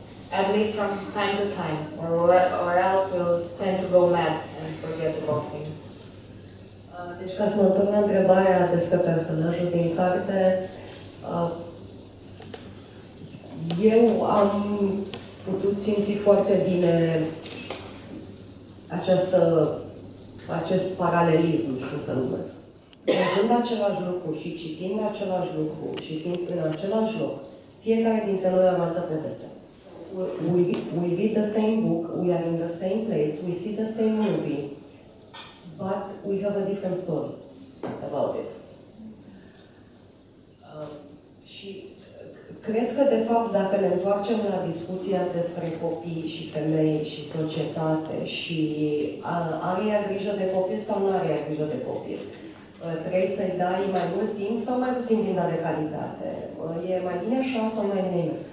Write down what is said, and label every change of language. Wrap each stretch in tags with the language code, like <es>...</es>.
<en>At least from time to time, or else we'll tend to go mad and forget about things.</en> <ro>Deci ca să mă întorc la întrebarea despre personajul din carte, eu am putut simți foarte bine această, acest paralelism, știu să numesc. Văzând același lucru și citind același lucru și fiind în același loc, fiecare dintre noi am altă poveste.</ro> <en>We read the same book, we are in the same place, we see the same movie, but we have a different story about it.</en> <ro>Și cred că, de fapt, dacă ne întoarcem la discuția despre copii și femei și societate și are ea grijă de copil sau nu are ea grijă de copil, trebuie să-i dai mai mult timp sau mai puțin din de calitate, e mai bine așa sau mai nimic.</ro>